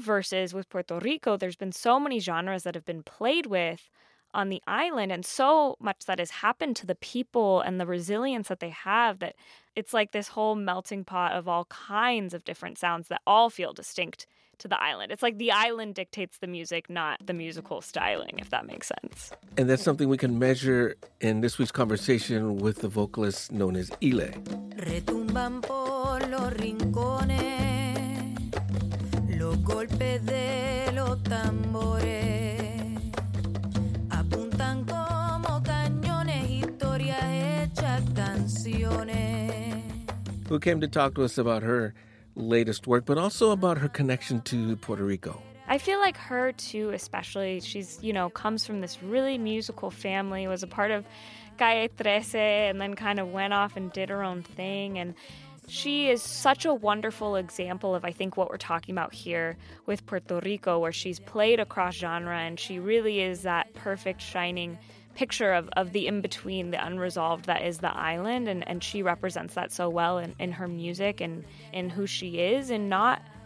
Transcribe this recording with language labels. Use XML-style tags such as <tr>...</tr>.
<en>Versus with Puerto Rico, there's been so many genres that have been played with on the island, and so much that has happened to the people and the resilience that they have, that it's like this whole melting pot of all kinds of different sounds that all feel distinct to the island. It's like the island dictates the music, not the musical styling, if that makes sense. And that's something we can measure in this week's conversation with the vocalist known as Ile.</en> <es>Retumban por los rincones. Los golpes de los tambores apuntan como cañones, historias hechas canciones.</es> <en>Who came to talk to us about her latest work, but also about her connection to Puerto Rico? I feel like her too, especially. She's, you know, comes from this really musical family, was a part of Calle 13, and then kind of went off and did her own thing. And she is such a wonderful example of, I think, what we're talking about here with Puerto Rico, where she's played across genre, and she really is that perfect shining picture of the in-between, the unresolved that is the island, and she represents that so well in her music and in who she is, and not</en>